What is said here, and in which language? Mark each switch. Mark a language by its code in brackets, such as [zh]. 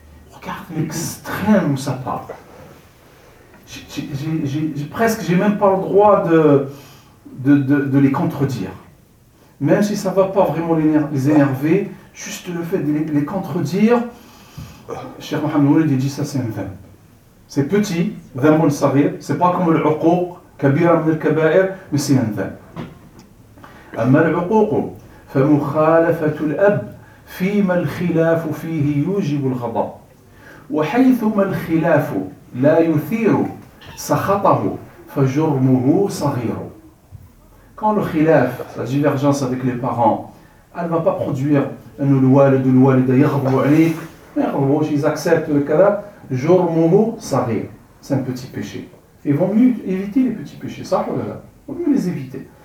[fr] Regarde l'extrême où ça part. J'ai même pas le droit de les contredire. Même si ça ne va pas vraiment les énerver, juste le fait de les contredire, Cheikh Mohamed Mouloud dit ça c'est un dhanb. C'est petit, dhanb al-saghir, c'est pas comme le uquq, kabir al-kaba'ir, mais c'est un dhanb. [ar] أما العقوق فمخالفة الأب فيما الخلاف فيه يوجب الغضب، وحيثما الخلاف لا يثير سخطه فجرمه صغير. [fr] Quand le خلاف, la divergence avec les parents, elle ne va pas produire [ar] أن الوالد والوالدة يغضب عليك ما يغضبوش, [fr] ils acceptent كذا, [ar] جرمه صغير, [fr] c'est un petit péché. Il vaut mieux éviter les petits péchés, [ar] صح ولا لا؟ [fr] Vaut mieux les éviter.